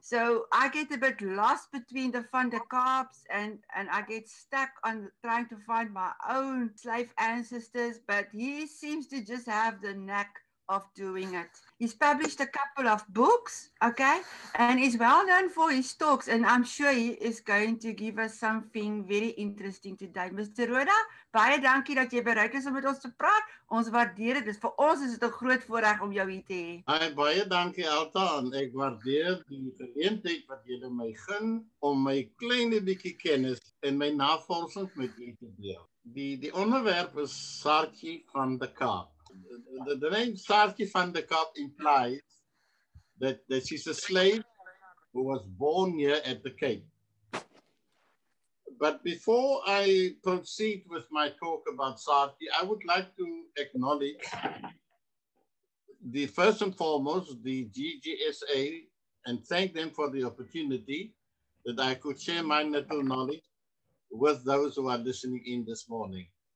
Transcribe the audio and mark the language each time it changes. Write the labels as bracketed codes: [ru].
[en] So I get a bit lost between the Van der Kaaps and I get stuck on trying to find my own slave ancestors, but he seems to just have the knack of doing it. He's published a couple of books, okay, and he's well known for his talks, and I'm sure he is going to give us something very interesting today. [af] Mr. Rhoda, baie dankie dat jy bereid is om met ons te praat. Ons waardeer dit. Vir ons is dit 'n groot voorreg om jou hier te hê. Hi, baie dankie Elta, en ek waardeer die geleentheid wat jy my gun om my klein bietjie kennis en my navorsing met jy te deel. Die onderwerp is Saartjie van die Kaap. [en] The name Saartjie van die Kaap implies that she's a slave who was born here at the Cape. But before I proceed with my talk about Saartjie, I would like to acknowledge the first and foremost, the GGSA, and thank them for the opportunity that I could share my little knowledge with those who are listening in this morning.